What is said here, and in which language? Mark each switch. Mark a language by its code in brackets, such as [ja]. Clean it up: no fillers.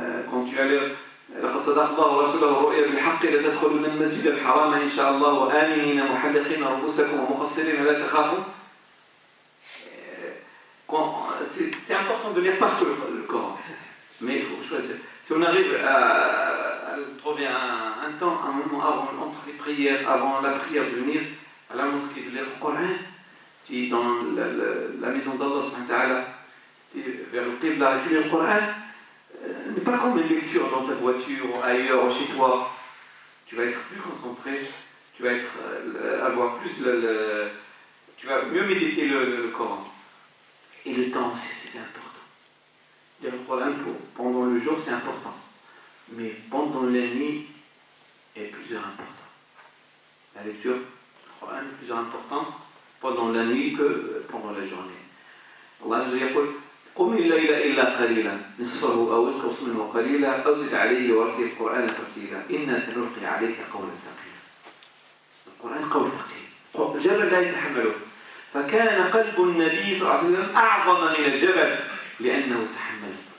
[fr] Quand tu vas lire [ar] لقد صدق الله ورسوله الرؤيا بالحق لتدخلن المسجد الحرام ان شاء الله وامنين محلقين رؤوسكم ومقصرين لا تخافوا [fr] c'est important de lire partout le Coran, mais il faut choisir. Si on arrive à trouver un temps, un moment avant, entre les prières, avant la prière, de venir à la mosquée, de lire le Coran, tu es dans la maison d'Allah, tu es vers le Qibla, tu lis le Coran. Mais pas comme une lecture dans ta voiture, ailleurs, ou chez toi. Tu vas être plus concentré, tu vas avoir plus tu vas mieux méditer le Coran. Et le temps aussi, c'est important. Lire le Coran pendant le jour, c'est important. Mais pendant la nuit, est plus important. La lecture du Coran est plus importante pendant la nuit que pendant la journée. Allah nous a dit, [ar] قم الليل إلا قليلا نصفه أو انقص منه قليلا أو زد عليه ورتل القرآن ترتيلا إنا سنلقي عليك قولا ثقيلا القرآن قول ثقيل جبل لا يتحمله فكان قلب النبي صلى الله عليه وسلم أعظم من الجبل لأنه تحمل